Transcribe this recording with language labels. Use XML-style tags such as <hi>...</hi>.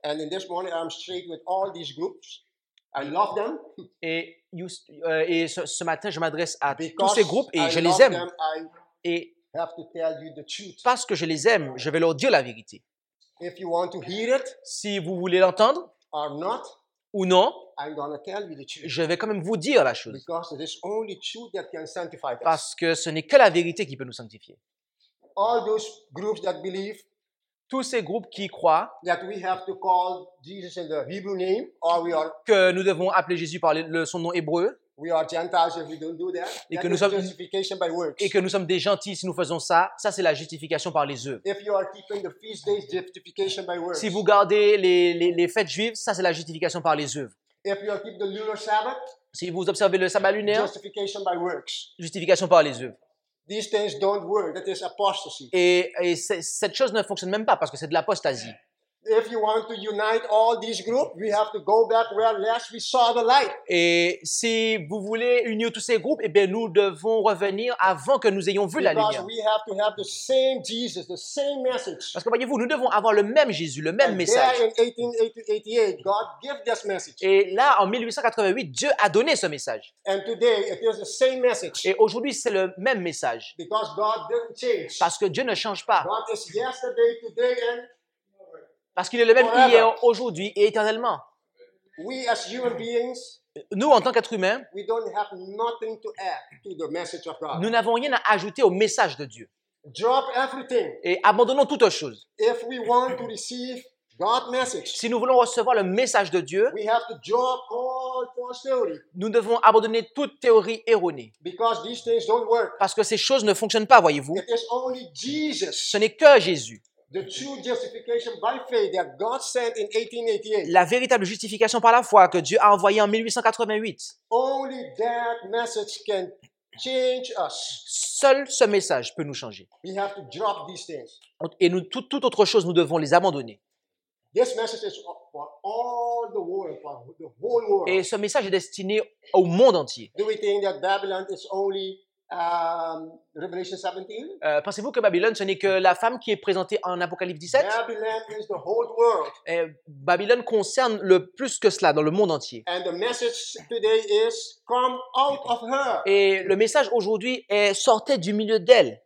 <en>And in this morning, I'm straight with all these groups. I love them.</en> <fr>Et, ce matin, je m'adresse à tous ces groupes et je les aime.</fr> <en>Et have to tell you the truth.</en> <fr>Parce que je les aime, je vais leur dire la vérité.</fr> <en>If you want to hear it,</en> <fr>si vous voulez l'entendre</fr> <en>or not,</en> <fr>ou non,</fr> <en>I'm gonna tell you the truth.</en> <fr>Je vais quand même vous dire la chose.</fr> <en>Because it is only truth that can sanctify us.</en> <fr>Parce que ce n'est que la vérité qui peut nous sanctifier.</fr> <en>All those groups that believe,</en> <fr>tous ces groupes qui croient</fr> <en>that we have to call Jesus in the Hebrew name, or we are,</en> <fr>que nous devons appeler Jésus par son nom hébreu,</fr> <en>we are gentiles if we don't do that.</en> <fr>Et que nous sommes</fr> <en>justification by works.</en> <fr>Et que nous sommes des gentils si nous faisons ça. Ça c'est la justification par les œuvres.</fr> <en>If you are keeping the feast days, justification by works.</en> <fr>Si vous gardez les fêtes juives, ça c'est la justification par les œuvres.</fr> <en>If you are keeping the lunar Sabbath,</en> <fr>si vous observez le sabbat lunaire,</fr> <en>justification by works.</en> <fr>Justification par les œuvres.</fr> <en>These things don't work. That is apostasy.</en> <fr>Et cette chose ne fonctionne même pas parce que c'est de l'apostasie.</fr> <en>If you want to unite all these groups, we have to go back where last we saw the light.</en> <fr>Et si vous voulez unir tous ces groupes, eh bien nous devons revenir avant que nous ayons vu</fr> <en>because</en> <fr>la lumière.</fr> <en>Because we have to have the same Jesus, the same message.</en> <fr>Parce que voyez-vous, nous devons avoir le même Jésus, le même</fr> <en>and</en> <fr>message.</fr> <en>And there in 1888, God gave this message.</en> <fr>Et là, en 1888, Dieu a donné ce message.</fr> <en>And today, it is the same message.</en> <fr>Et aujourd'hui, c'est le même message.</fr> <en>Because God didn't change.</en> <fr>Parce que Dieu ne change pas.</fr> <en>God is yesterday, today, and</en> <fr>parce qu'il est le même hier, aujourd'hui et éternellement.</fr> <en>We as human beings,</en> <fr>nous, en tant qu'êtres humains,</fr> <en>we don't have nothing to add to the message of God.</en> <fr>Nous n'avons rien à ajouter au message de Dieu.</fr> <en>Drop everything.</en> <fr>Et abandonnons toute chose.</fr> <en>If we want to receive God's message,</en> <fr>si nous voulons recevoir le message de Dieu,</fr> <en>we have to drop all false theory.</en> <fr>Nous devons abandonner toute théorie erronée.</fr> <en>Because these things don't work.</en> <fr>Parce que ces choses ne fonctionnent pas, voyez-vous.</fr> <en>It is only Jesus.</en> <fr>Ce n'est que Jésus.</fr> <en>The true justification by faith that God sent in 1888.</en> <fr>La véritable justification par la foi que Dieu a envoyée en 1888.</fr> <en>Only that message can change us.</en> <fr>Seul ce message peut nous changer.</fr> <en>We have to drop these things.</en> <fr>Et nous, toute autre chose, nous devons les abandonner.</fr> <en>This message is for all the world, for the whole world.</en> <fr>Et ce message est destiné au monde entier.</fr> <en>Do we think that Babylon is only Revelation 17?</en> <fr>Pensez-vous que Babylone, ce n'est que la femme qui est présentée en Apocalypse 17?</fr> <en>Babylon is the whole world.</en> <fr>Babylone concerne le plus que cela dans le monde entier.</fr> <en>And the message today is, come out of her.</en> <fr>Et le message aujourd'hui est, sortez du milieu d'elle.</fr>